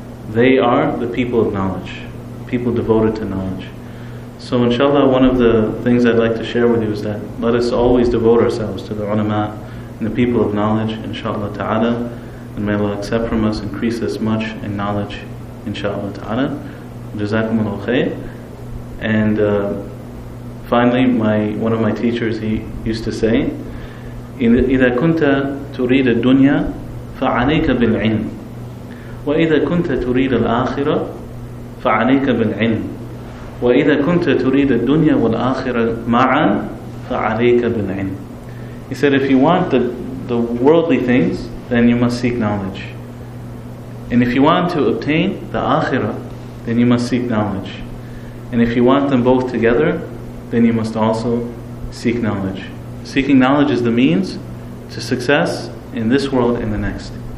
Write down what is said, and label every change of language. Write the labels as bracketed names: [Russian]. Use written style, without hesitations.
[English] They are the people of knowledge, people devoted to knowledge. So inshallah, one of the things I'd like to share with you is that let us always devote ourselves to the ulama and the people of knowledge, inshallah ta'ala. And may Allah accept from us, increase us much in knowledge, inshallah ta'ala. [Arabic] Jazakum Allah khair. [English] And finally, one of my teachers, he used to say, [Arabic] إِذَا كُنْتَ تُرِيدَ الدُّنْيَا فَعَلَيْكَ بِالْعِلْمِ وَإِذَا كُنْتَ تُرِيدَ الْآخِرَةِ فَعَلَيْكَ بِالْعِلْمِ وَإِذَا كُنْتَ تُرِيدَ الدُّنْيَا وَالْآخِرَةِ مَعًا فَعَلَيْكَ بِالْعِلْمِ. [English] He said, if you want the worldly things, then you must seek knowledge. And if you want to obtain the Akhirah, then you must seek knowledge. And if you want them both together, then you must also seek knowledge. Seeking knowledge is the means to success in this world and the next.